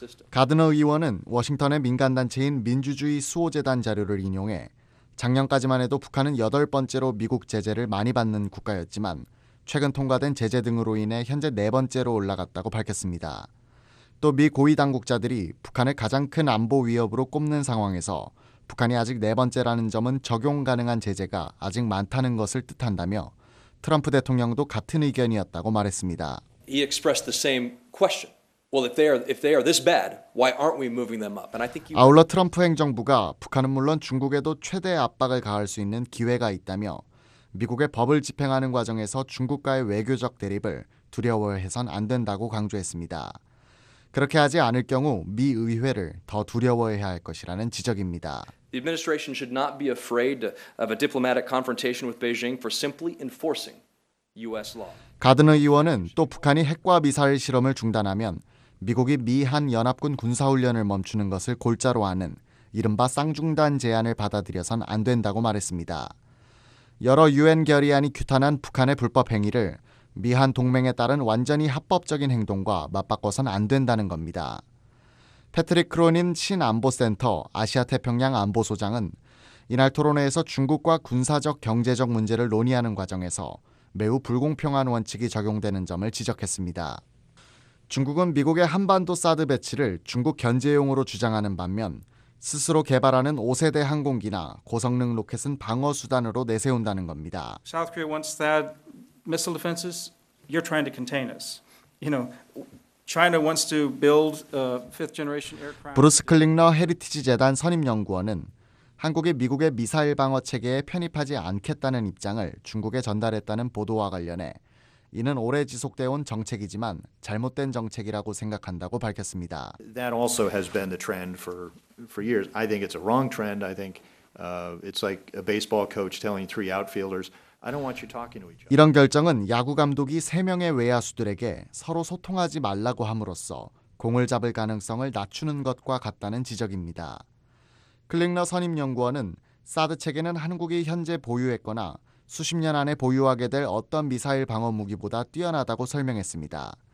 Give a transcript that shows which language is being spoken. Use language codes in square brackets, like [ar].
[ko] 가드너 의원은 워싱턴의 민간단체인 민주주의 수호재단 자료를 인용해 작년까지만 해도 북한은 8번째로 미국 제재를 많이 받는 국가였지만 최근 통과된 제재 등으로 인해 현재 4번째로 올라갔다고 밝혔습니다. 또 미 고위 당국자들이 북한을 가장 큰 안보 위협으로 꼽는 상황에서 북한이 아직 네 번째라는 점은 적용 가능한 제재가 아직 많다는 것을 뜻한다며 트럼프 대통령도 같은 의견이었다고 말했습니다. [en] He expressed the same question. Well, if they are this bad, why aren't we moving them up? And I think he... [ko] 아울러 트럼프 행정부가 북한은 물론 중국에도 최대 압박을 가할 수 있는 기회가 있다며 미국의 법을 집행하는 과정에서 중국과의 외교적 대립을 두려워해선 안 된다고 강조했습니다. 그렇게 하지 않을 경우 미 의회를 더 두려워해야 할 것이라는 지적입니다. [en] The administration should not be afraid of a diplomatic confrontation with Beijing for simply enforcing U.S. law. [ko] 가드너 의원은 또 북한이 핵과 미사일 실험을 중단하면 미국이 미한 연합군 군사훈련을 멈추는 것을 골자로 하는 이른바 쌍중단 제안을 받아들여선 안 된다고 말했습니다. 여러 유엔 결의안이 규탄한 북한의 불법 행위를 미한 동맹에 따른 완전히 합법적인 행동과 맞바꿔선 안 된다는 겁니다. 패트릭 크로닌 신안보센터 아시아태평양 안보소장은 이날 토론회에서 중국과 군사적 경제적 문제를 논의하는 과정에서 매우 불공평한 원칙이 적용되는 점을 지적했습니다. 중국은 미국의 한반도 사드 배치를 중국 견제용으로 주장하는 반면 스스로 개발하는 5세대 항공기나 고성능 로켓은 방어 수단으로 내세운다는 겁니다. [en] South Korea wants that missile defenses. You're trying to contain us. You know, China wants to build a fifth generation aircraft. [ko] 브루스 클링너 헤리티지 재단 선임 연구원은 한국이 미국의 미사일 방어 체계에 편입하지 않겠다는 입장을 중국에 전달했다는 보도와 관련해 이는 오래 지속돼온 정책이지만 잘못된 정책이라고 생각한다고 밝혔습니다. [en] That also has been the trend for years. I think it's a wrong trend. I think it's like a baseball coach telling three outfielders, I don't want you talking to each other. [ko] 이런 결정은 야구 감독이 세 명의 외야수들에게 서로 소통하지 말라고 함으로써 공을 잡을 가능성을 낮추는 것과 같다는 지적입니다. 클링너 선임 연구원은 사드 체계는 한국이 현재 보유했거나 수십 년 안에 보유하게 될 어떤 미사일 방어 무기보다 뛰어나다고 설명했습니다.